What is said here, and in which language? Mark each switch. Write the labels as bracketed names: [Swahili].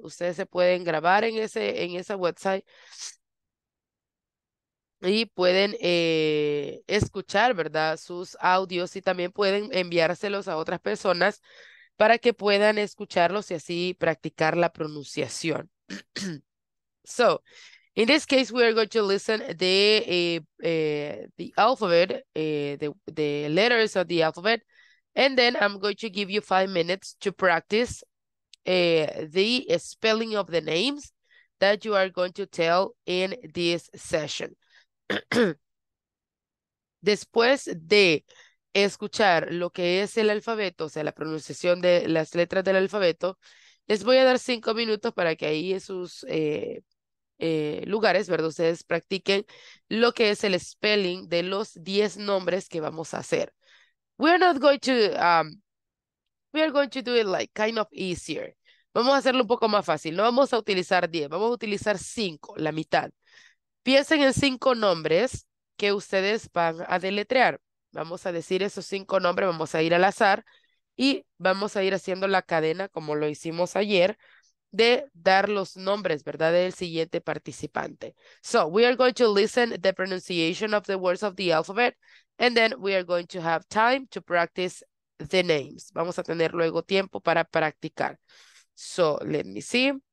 [Spanish] Ustedes se pueden grabar en ese, en esa website y pueden escuchar, ¿verdad?, sus audios y también pueden enviárselos a otras personas para que puedan escucharlos y así practicar la pronunciación. [English] So, in this case, we are going to listen the alphabet, the letters of the alphabet, and then I'm going to give you 5 minutes to practice the spelling of the names that you are going to tell in this session. [Spanish] Después de escuchar lo que es el alfabeto, o sea, la pronunciación de las letras del alfabeto, les voy a dar 5 minutos para que ahí sus lugares, ¿verdad? Ustedes practiquen lo que es el spelling de los 10 nombres que vamos a hacer. [English] We're not going to, we are going to do it like kind of easier. [Spanish] Vamos a hacerlo un poco más fácil. No vamos a utilizar 10, vamos a utilizar 5, la mitad. Piensen en 5 nombres que ustedes van a deletrear. Vamos a decir esos 5 nombres, vamos a ir al azar y vamos a ir haciendo la cadena como lo hicimos ayer de dar los nombres, ¿verdad?, del siguiente participante. [English] So, we are going to listen the pronunciation of the words of the alphabet and then we are going to have time to practice the names. [Spanish] Vamos a tener luego tiempo para practicar. [English] So, let me see.